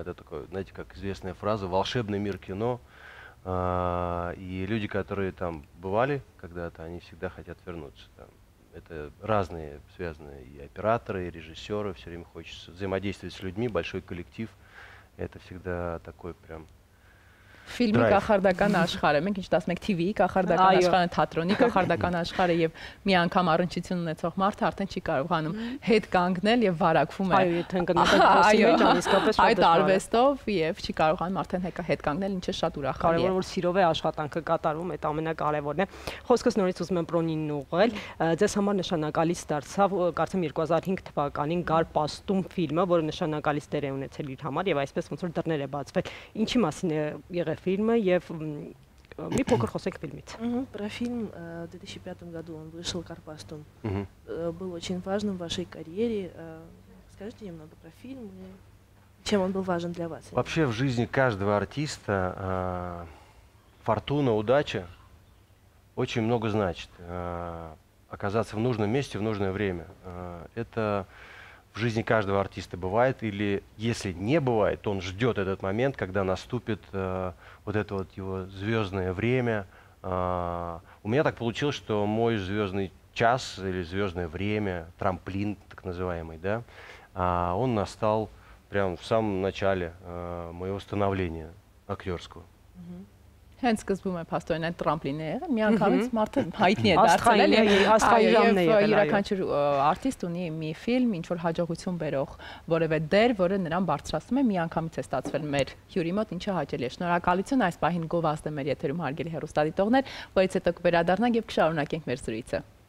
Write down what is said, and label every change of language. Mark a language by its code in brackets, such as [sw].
[ru] Это такое, знаете, как известная фраза, волшебный мир кино. И люди, которые там бывали когда-то, они всегда хотят вернуться. Там. Это разные связанные и операторы, и режиссеры, все время хочется взаимодействовать с людьми, большой коллектив. Это всегда такой прям... [hy] Ֆիլմի կախարդական աշխարհը, մենք ինչ 11 TV-ի կախարդական աշխարհը, թատրոնի կախարդական աշխարհը եւ մի անգամ առնչություն ունեցող մարդը արդեն չի կարողանում հետ կանգնել եւ վարակվում է։ Այո, եթե ընկնում է իսկապես շատ այդ արվեստով եւ չի կարողանում արդեն հետ կանգնել, ինչը շատ ուրախալի է։ Կարևոր որ սիրով է աշխատանքը կատարում, այդ ամենակարևորն է։ Խոսքս նորից ուզում եմ պրոնին ուղղել։ Ձեզ համար նշանակալի դարձավ կարծեմ 2005 թվականին Գար Պաստում ֆիլմը, որը նշանակալի դեր է ունեցել իր համար եւ այսպես ոնց որ դռներ է բացվել։ Ինչի մասին է [ru] фильма я в мне покер хосек фильмит. Про фильм в 2005 году он вышел, Карпастум. Был очень важным в вашей карьере. Скажите немного про фильм и чем он был важен для вас. Вообще в жизни каждого артиста фортуна, удача очень много значит. Оказаться в нужном месте в нужное время. Это в жизни каждого артиста бывает, или если не бывает, то он ждет этот момент, когда наступит вот это вот его звездное время. У меня так получилось, что мой звездный час или звездное время, трамплин так называемый, да, он настал прямо в самом начале моего становления актерского. [hy] Հենց սկզբում է փաստորեն այդ տրամպլինը, մի անգամից մարդը հայտնի է դարձել, էլի աստղային է, յուրաքանչյուր արտիստ ունի մի ֆիլմ, ինչ որ հաջողություն բերող որևէ դեր, որը նրան բարձրացնում է, մի անգամից է ստացվել մեր հյուրի մոտ, ինչը հաճելի է։ Շնորհակալություն այս պահին գովազդ է մեր եթերում հարգելի հեռուստադիտողներ, որից հետո կվերադառնանք եւ կշարունակենք մեր զրույցը։